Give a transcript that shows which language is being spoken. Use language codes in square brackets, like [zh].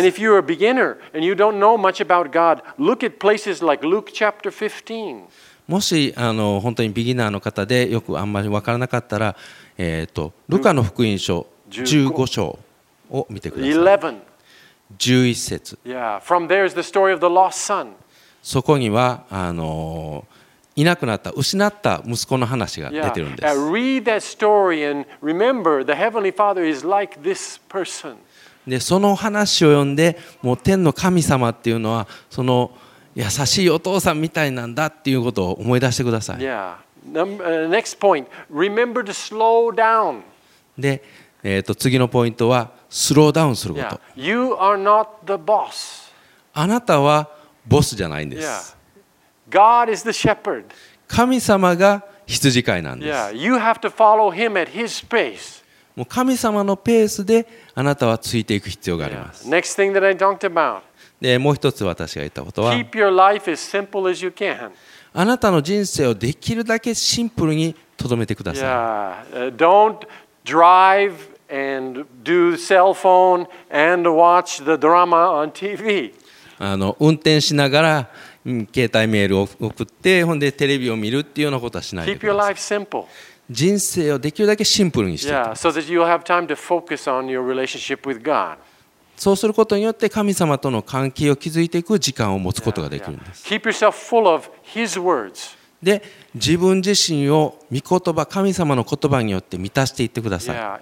[en] And if you're a beginner and you don't know much about God, look at places like Luke chapter 15. [ja] もしあの本当にビギナーの方でよくあんまり分からなかったら、ルカの福音書15章を見てください。 11節。 [en] Yeah, from there is the story of the lost son. [ja] そこにはあのいなくなった失った息子の話が出てるんです。 [en] Read that story and remember the Heavenly Father is like this person. [ja] でその話を読んで、もう天の神様っていうのはその優しいお父さんみたいなんだっていうことを思い出してください。 [en] Yeah. Next point. Remember to slow down. [ja] で、次のポイントはスローダウンすること。 [en] Yeah. You are not the boss. [ja] あなたはボスじゃないんです。 [en] Yeah. God is the shepherd. [ja] 神様が羊飼いなんです。 [en] Yeah. You have to follow him at his pace. [ja] もう神様のペースであなたはついていく必要があります。 [en] Yeah. Next thing that I talked about. [ja] で、もう一つ私が言ったことは、 [en] Keep your life as simple as you can. [ja] あなたの人生をできるだけシンプルにとどめてください。 [en] Yeah. Don't drive. And do cell phone and watch the drama on TV. [ja] あの運転しながら携帯メールを送って、ほんでテレビを見るっていうようなことはしないでください。 [en] Keep your life simple. [ja] 人生をできるだけシンプルにして。 [en] Yeah, so that you have time to focus on your relationship with God. [ja] そうすることによって神様との関係を築いていく時間を持つことができるんです。 [en] Yeah, yeah. Keep yourself full of His words. [ja] で自分自身を御言葉神様の言葉によって満たしていってください。